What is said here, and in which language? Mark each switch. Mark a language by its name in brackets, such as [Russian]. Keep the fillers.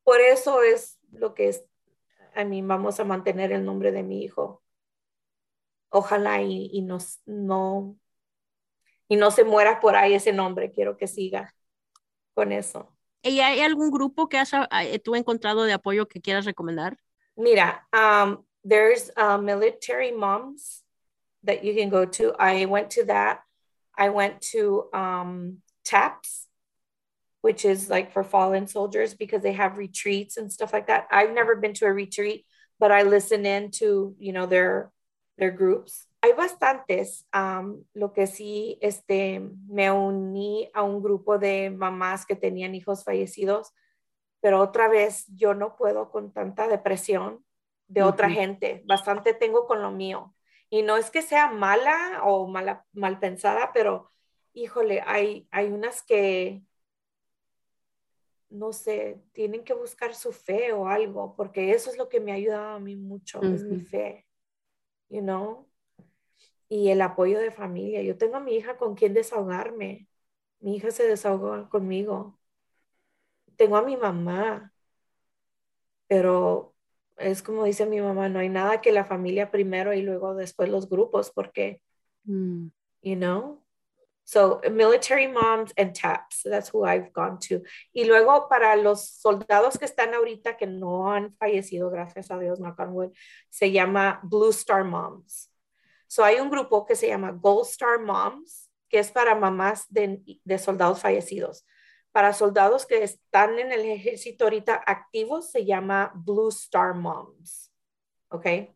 [Spanish] Por eso es lo que es, a mí vamos a mantener el nombre de mi hijo. Ojalá y, y nos, no, y no se muera por ahí ese nombre. Quiero que siga con eso. ¿Y hay algún grupo que has, tú encontrado de apoyo que quieras recomendar? [English] Mira, um, there's uh, military moms that you can go to. I went to that. I went to um, TAPS, which is like for fallen soldiers because they have retreats and stuff like that. I've never been to a retreat, but I listen in to, you know, their their groups. [Spanish] Hay bastantes. Um, lo que sí, este, me uní a un grupo de mamás que tenían hijos fallecidos. pero otra vez yo no puedo con tanta depresión de uh -huh. otra gente, bastante tengo con lo mío. Y no es que sea mala o mala, mal pensada, pero híjole, hay, hay unas que, no sé, tienen que buscar su fe o algo, porque eso es lo que me ha ayudado a mí mucho, uh -huh. es mi fe, [English] you know? [Spanish] Y el apoyo de familia. Yo tengo a mi hija con quien desahogarme. Mi hija se desahogó conmigo tengo a mi mamá, pero es como dice mi mamá, no hay nada que la familia primero y luego después los grupos, porque, mm. [English] you know, so military moms and taps, that's who I've gone to. [Spanish] Y luego para los soldados que están ahorita que no han fallecido, gracias a Dios, knock se llama Blue Star Moms. So hay un grupo que se llama Gold Star Moms, que es para mamás de, de soldados fallecidos para soldados que están en el ejército ahorita activos se llama Blue Star Moms. ¿Ok?